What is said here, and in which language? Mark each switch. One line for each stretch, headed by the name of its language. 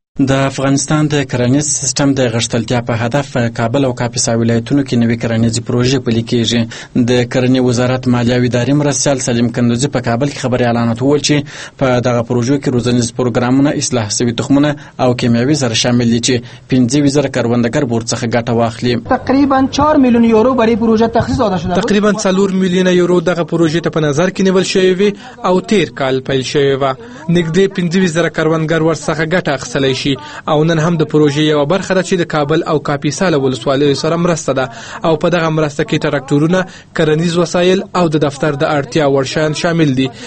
Pashto: د افغانستان د کرنیز سیستم د غښتلتیا په هدف کابل او کاپیسا ولایتونو کې نوې کرنیزې پروژې پلي کیږي. د کرنې وزارت مالیه ادارې مرستیال سلیم کندوزی په کابل کې خبري اعلانات وویل چې په دغه پروژو کې روزنیز پروګرامونه، اصلاح شوي تخمونه او کیمیاوي زر شامل دي چې 15,000 کروندګر ورڅخه ګټه واخلي.
Persian: تقریبا 4 میلیون یورو برای پروژه تخصیص داده شوه.
Pashto: تقریبا 4 میلیون یورو دغه پروژې ته په نظر کې نیول شوی وي او تیر کال پیل شوی و. نږدې 15,000 کروندګر ورڅخه ګټه اخیستل شي، او نن هم د پروژې یو برخه ده چې د کابل او کاپیسا له ولسوالیو سره مرسته ده، او په دغه مرسته کې ټراکتورونه، کرنیز وسایل او د دفتر د اړتیا وړ شیان شامل دي.